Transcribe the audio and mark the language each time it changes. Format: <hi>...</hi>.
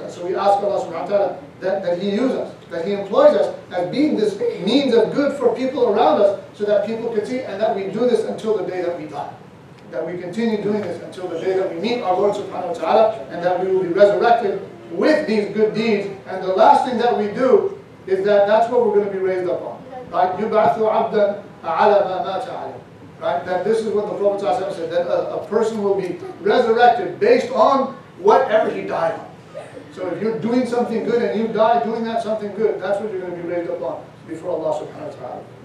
<en>And so we ask Allah subhanahu wa ta'ala that He use us, that He employs us as being this means of good for people around us so that people can see, and that we do this until the day that we die. That we continue doing this until the day that we meet our Lord subhanahu wa ta'ala, and that we will be resurrected with these good deeds. And the last thing that we do is that's what we're going to be raised up on.</en> <ar>Right, يُبَعْثُ عَبْدًا عَلَى مَا مَاتَ عَلَى.</ar> <en>Right, that this is what the Prophet ﷺ said, that a person will be resurrected based on whatever he died on. So if you're doing something good and you die doing that something good, that's what you're going to be raised up on before Allah subhanahu wa ta'ala.</en>